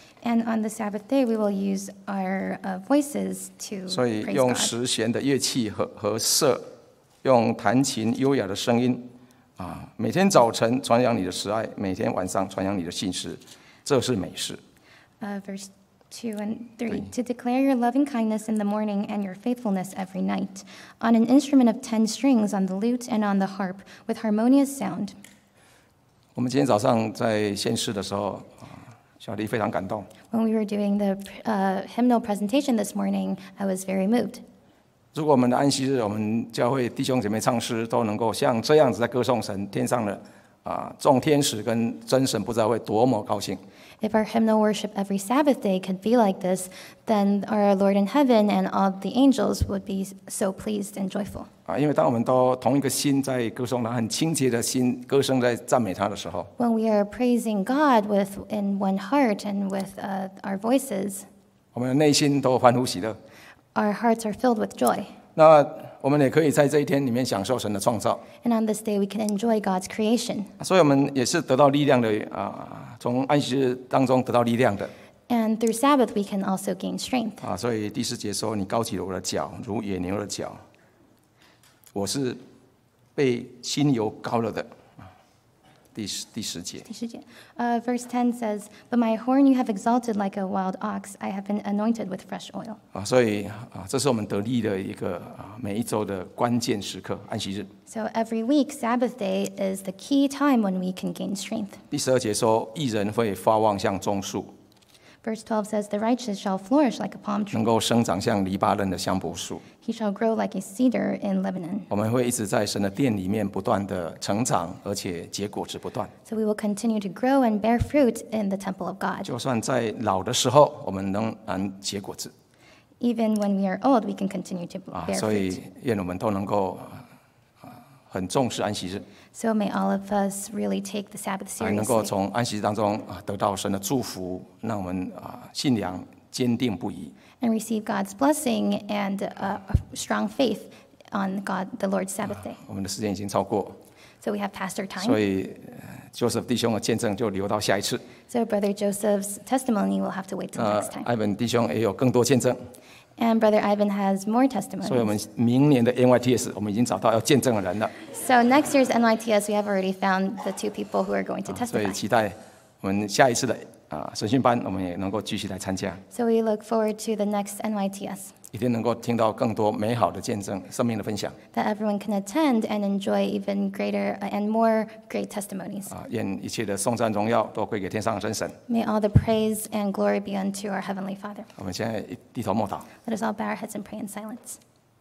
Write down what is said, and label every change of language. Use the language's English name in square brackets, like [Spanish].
[English] And on the Sabbath day, we will use our voices to praise God. [Chinese] 所以用十弦的乐器和瑟，用弹琴优雅的声音啊，每天早晨传扬你的慈爱，每天晚上传扬你的信实。这是美事。 [English] Verse 2 and 3. To declare your loving kindness in the morning and your faithfulness every night, on an instrument of 10 strings, on the lute and on the harp, with harmonious sound. [Chinese] 我们今天早上在献诗的时候，小丽非常感动。 [English] When we were doing the hymnal presentation this morning, I was very moved. [Chinese] 如果我们的安息日，我们教会弟兄姐妹唱诗都能够像这样子在歌颂神，天上的。众天使跟真神不知道会多么高兴。 [English] If our hymnal worship every Sabbath day could be like this, then our Lord in heaven and all the angels would be so pleased and joyful. [Chinese] 因为当我们都同一个心在歌颂他，很清洁的心歌声在赞美他的时候 [English] ，When we are praising God with in one heart and with our voices, [Chinese] 我们的内心都欢呼喜乐。 [English] Our hearts are filled with joy. [Chinese] 那我们也可以在这一天里面享受神的创造。 [English] And on this day, we can enjoy God's creation. [Chinese] 所以我们也是得到力量的从安息日当中得到力量的。 [English] And through Sabbath, we can also gain strength. [Chinese] 所以第四节说，你高举了我的脚，如野牛的脚。我是被新油膏了的。第十节。 [English] Verse 10 says, But my horn you have exalted like a wild ox. I have been anointed with fresh oil. [Chinese] 所以这是我们得力的一个每一周的关键时刻，安息日。 [English] So every week, Sabbath day is the key time when we can gain strength. [Chinese] 第十二节说，义人会发旺像棕树。 [English] Verse 12 says, The righteous shall flourish like a palm tree. [Chinese] 能够生长像黎巴嫩的香柏树。 [English] He shall grow like a cedar in Lebanon. [Chinese] 我们会一直在神的殿里面不断的成长，而且结果子不断。 [English] So we will continue to grow and bear fruit in the temple of God. [Chinese] 就算在老的时候，我们仍然结果子。 [English] Even when we are old, we can continue to bear fruit. [Chinese] 所以愿我们都能够很重视安息日。 [English] So may all of us really take the Sabbath seriously. [Chinese] 能够从安息日当中得到神的祝福，让我们信仰坚定不移。 [English] And receive God's blessing and a strong faith on God, the Lord's Sabbath day. [Chinese] 我们的时间已经超过。 [English] So we have passed our time. [Chinese] 所以 Joseph 弟兄的见证就留到下一次。 [English] So Brother Joseph's testimony will have to wait till next time. [Chinese] Ivan 弟兄也有更多见证。 [English] And Brother Ivan has more testimony. [Chinese] 所以我们明年的 NYTS 我们已经找到要见证的人了。 [English] So next year's NYTS, we have already found the two people who are going to testify. [Chinese] 所以期待我们下一次的。神训班，我们也能够继续来参加。 [English] So we look forward to the next NYTS. [Chinese] 一定能够听到更多美好的见证，生命的分享。 [English] That everyone can attend and enjoy even greater and more great testimonies. [Chinese] 愿一切的颂赞荣耀都归给天上的真神。 [English] May all the praise and glory be unto our heavenly Father. [Chinese] 我们现在低头默祷。 [English] Let us all bow our heads and pray in silence.